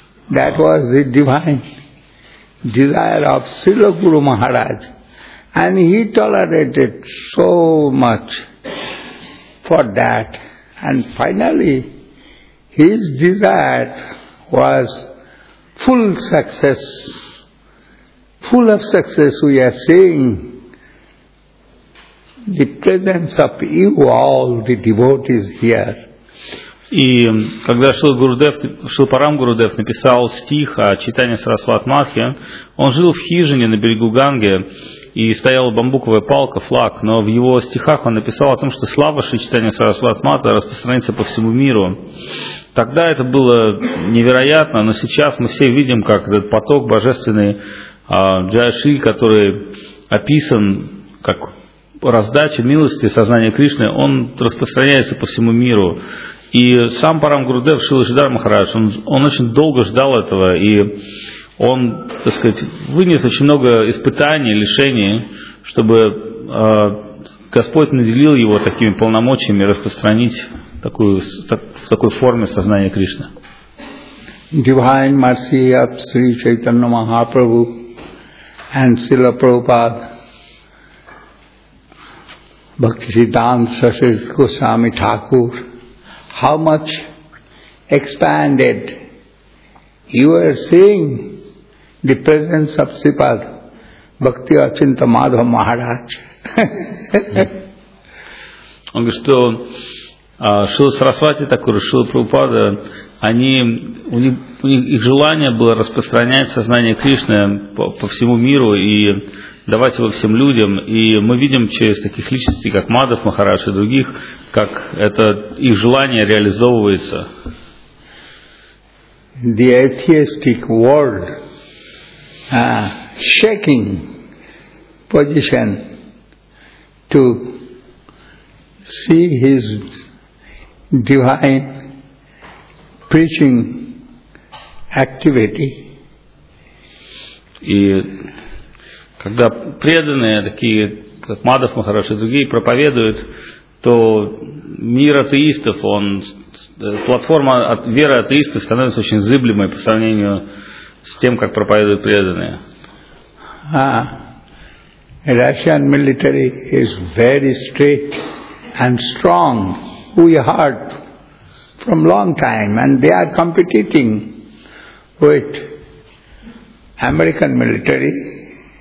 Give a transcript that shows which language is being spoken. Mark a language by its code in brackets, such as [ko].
[en] That was the divine desire of Srila Guru Maharaj, and he tolerated so much for that, and finally his desire was full success, full of success. We are seeing the presence of you all, the devotees here. [ru] И когда Шрила Парам Гурудев написал стих о читании Сарасват Матхи, он жил в хижине на берегу Ганги, и стояла бамбуковая палка, флаг, но в его стихах он написал о том, что слава Шри Читания Сарасват Матхи распространится по всему миру. Тогда это было невероятно, но сейчас мы все видим, как этот поток божественный Джайши, который описан как раздача милости сознания Кришны, он распространяется по всему миру. И сам Парам Гурудев Шрила Шридхар Махарадж, он очень долго ждал этого, и он, так сказать, вынес очень много испытаний, лишений, чтобы Господь наделил его такими полномочиями распространить такую, в такой форме сознание Кришны. [en] Divine mercy of Sri Chaitanya Mahaprabhu and Srila Prabhupada, Bhakti Siddhanta Saraswati Goswami Thakur, how much expanded you are seeing the presence of Sripad Bhakti Achinta Madhava Maharaj. [ru] Он говорит, что Шрила Сарасвати Такур, Шрила Прабхупада, они, у них их желание было распространять сознание Кришны по всему миру и давать его всем людям. И мы видим через таких личностей, как Мадхав Махарадж и других, как это их желание реализовывается. [en] The atheistic world shaking position to see his divine preaching activity. [ru] И когда преданные, такие как Мадхав Махарадж и другие, проповедуют, то мир атеистов, он, платформа от веры атеистов становится очень зыблемой по сравнению с тем, как проповедуют преданные. [en] Russian military is very strict and strong. We heard from long time, and they are competing with American military.